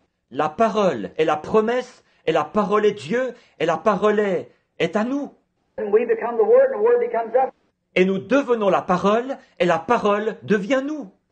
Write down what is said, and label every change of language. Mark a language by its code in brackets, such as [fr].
[fr] La parole est la promesse, et la parole est Dieu, et la parole est à nous. [en] And we become the word, and the word becomes us. [fr] Et nous devenons la parole, et la parole devient nous.